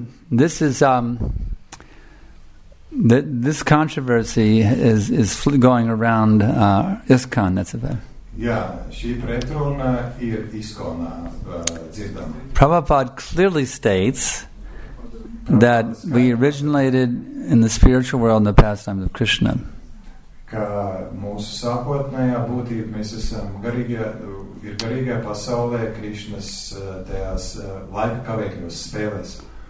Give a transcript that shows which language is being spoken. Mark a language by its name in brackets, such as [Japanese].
[English] This is this controversy is going around ISKCON. That's about. [Latvian] Jā, šī pretruna ir ISKCONā dzirdama. [English] Prabhupada clearly states that we originated in the spiritual world in the pastimes of Krishna. [Latvian] Ka mūsu sākotnējā būtība mēs esam garīgajā pasaulē Krišnas tajās laika kavēkļos spēlēs.